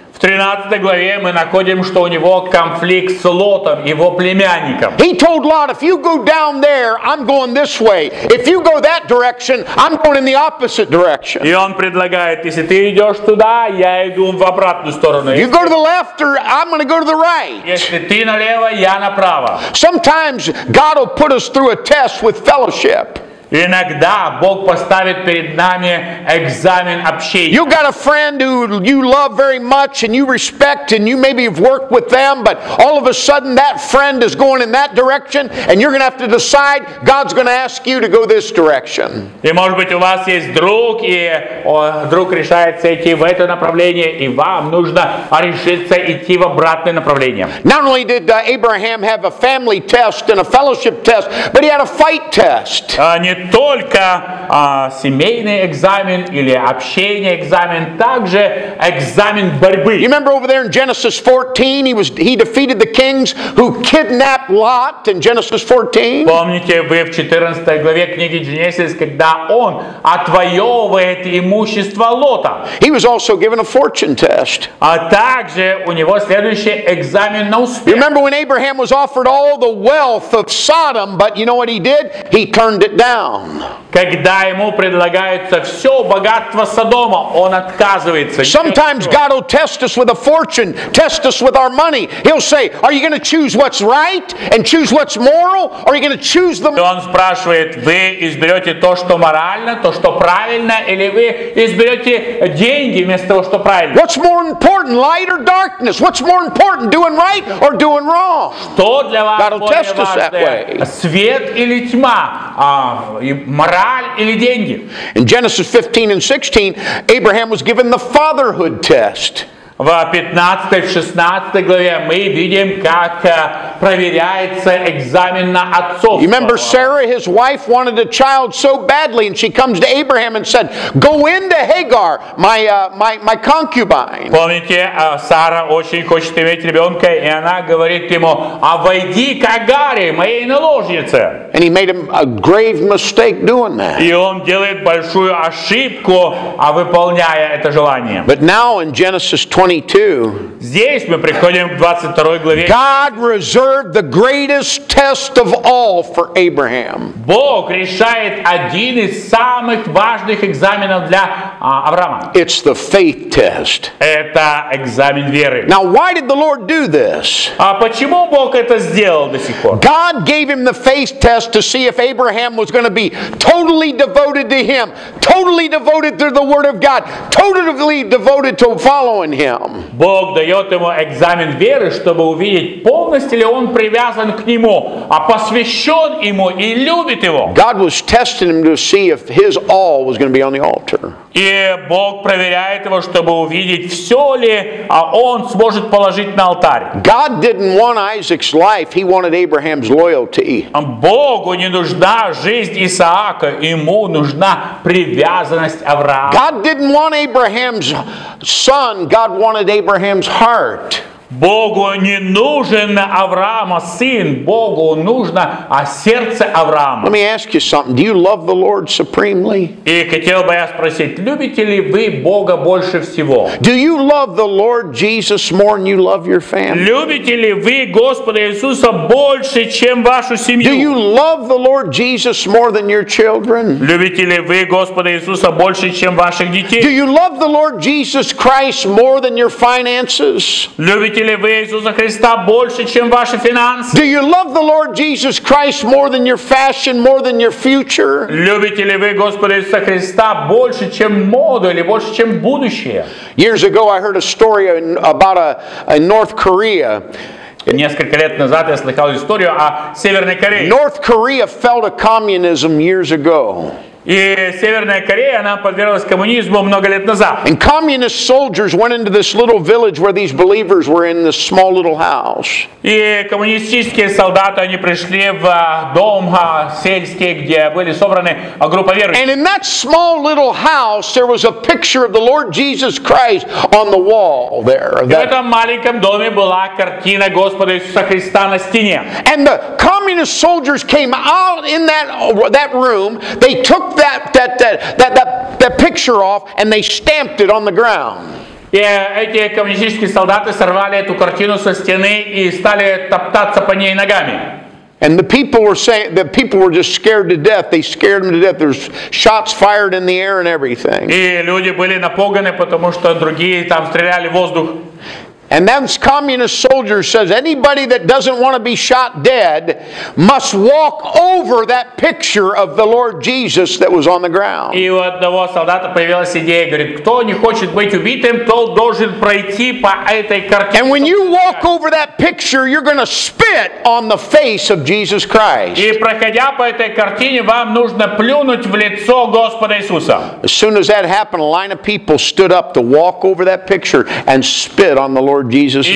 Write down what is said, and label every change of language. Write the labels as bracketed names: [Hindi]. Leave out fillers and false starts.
[Russian] В 13 главе мы находим, что у него конфликт с Лотом, его племянником. [English] He told Lot, if you go down there, I'm going this way. If you go that direction, I'm going in the opposite direction. [Russian] И он предлагает, если ты идешь туда, я иду в обратную сторону. [English] You go to the left or I'm going to go to the right. [Russian] Если ты налево, я направо. [English] Sometimes God will put us through a test with fellowship. [Russian] Иногда Бог поставит перед нами экзамен общения. [English] You got a friend who you love very much and you respect and you maybe have worked with them, but all of a sudden that friend is going in that direction and you're going to have to decide God's going to ask you to go this direction. [Russian] И может быть у вас есть друг и друг решается идти в это направление и вам нужно решиться идти в обратное направление. [English] Not only did Abraham have a family test and a fellowship test, but he had a fight test. [Russian] Не только семейный экзамен или общение экзамен, также экзамен борьбы. [English] You remember over there in Genesis 14, he defeated the kings who kidnapped Lot in Genesis 14. [Russian] Помните вы в 14 главе книги Genesis, когда он отвоевывает имущество Лота? [English] He was also given a fortune test. [Russian] А также у него следующий экзамен на успех. [English] You remember when Abraham was offered all the wealth of Sodom, but you know what he did? He turned it down. [Russian] Когда ему предлагается все богатство Содома, он отказывается. [English] Sometimes God will test us with a fortune, test us with our money. He'll say, are you going to choose what's right and choose what's moral? Or are you going to choose the... [Russian] И он спрашивает, вы изберете то, что морально, то, что правильно, или вы изберете деньги вместо того, что правильно? [English] What's more important, light or darkness? What's more important, doing right or doing wrong? [Russian] Что для вас более важное, свет или тьма? Мораль или деньги? [English] In Genesis 15 and 16, Abraham was given the fatherhood test. [Russian] В 15-16 главе мы видим, как проверяется экзамен на отцовство. [English] You remember Sarah, his wife, wanted a child so badly, and she comes to Abraham and said, "Go into Hagar, my concubine." [Russian] Помните, Сара очень хочет иметь ребенка, и она говорит ему, "А войди к Агаре, моей наложнице." [English] And he made a grave mistake doing that. [Russian] И он делает большую ошибку, выполняя это желание. [English] But now in Genesis 22, God reserved the greatest test of all for Abraham. [Russian] Бог решает один из самых важных экзаменов для Авраама. [English] It's the faith test. [Russian] Это экзамен веры. [English] Now, why did the Lord do this? [Russian] А почему Бог это сделал до сих пор? [English] God gave him the faith test to see if Abraham was going to be totally devoted to Him, totally devoted to the Word of God, totally devoted to following Him. [Russian] Бог дает ему экзамен веры, чтобы увидеть, полностью ли он привязан к нему, а посвящен ему и любит его. [English] God was testing him to see if his all was going to be on the altar. [Russian] И Бог проверяет его, чтобы увидеть, все ли он сможет положить на алтарь. [English] God didn't want Isaac's life, he wanted Abraham's loyalty. [Russian] Богу не нужна жизнь Исаака, ему нужна привязанность Авраама. [English] God didn't want Abraham's son, God wanted Abraham's heart. [Russian] Богу не нужен Авраама сын, Богу нужно сердце Авраама. [English] Let me ask you something. Do you love the Lord supremely? [Russian] И хотел бы я спросить, любите ли вы Бога больше всего? [English] Do you love the Lord Jesus more than you love your family? [Russian] Любите ли вы Господа Иисуса больше, чем вашу семью? [English] Do you love the Lord Jesus more than your children? [Russian] Любите ли вы Господа Иисуса больше, чем ваших детей? [English] Do you love the Lord Jesus Christ more than your finances? [Russian] Любите ли вы Иисуса Христа больше, чем ваши финансы? [English] Do you love the Lord Jesus Christ more than your fashion, more than your future? [Russian] Любите ли вы Господа Иисуса Христа больше, чем моду или больше, чем будущее? [English] Years ago, I heard a story about a North Korea. [Russian] Несколько лет назад я слыхал историю о Северной Корее. [English] North Korea fell to communism years ago. [Russian] И Северная Корея, она подверглась коммунизму много лет назад. [English] And communist soldiers went into this little village where these believers were in this small little house. [Russian] И коммунистические солдаты, они пришли в дом сельский, где были собраны группа верующих. [English] And in that small little house, there was a picture of the Lord Jesus Christ on the wall there. [Russian] В этом маленьком доме была картина Господа Иисуса Христа на стене. [English] And the communist soldiers came out in that room, they took that picture off and they stamped it on the ground. [Russian] Эти коммунистические солдаты сорвали эту картину со стены и стали топтаться по ней ногами. [English] And the people were just scared to death. They scared them to death. There's shots fired in the air and everything. [Russian] И люди были напуганы, потому что другие там стреляли в воздух. [English] And then this communist soldier says, anybody that doesn't want to be shot dead must walk over that picture of the Lord Jesus that was on the ground. [Russian] И у одного солдата появилась идея, говорит, кто не хочет быть убитым, тот должен пройти по этой картине. [English] And when you walk over that picture, you're going to spit on the face of Jesus Christ. [Russian] И проходя по этой картине, вам нужно плюнуть в лицо Господа Иисуса. [English] As soon as that happened, a line of people stood up to walk over that picture and spit on the Lord Jesus.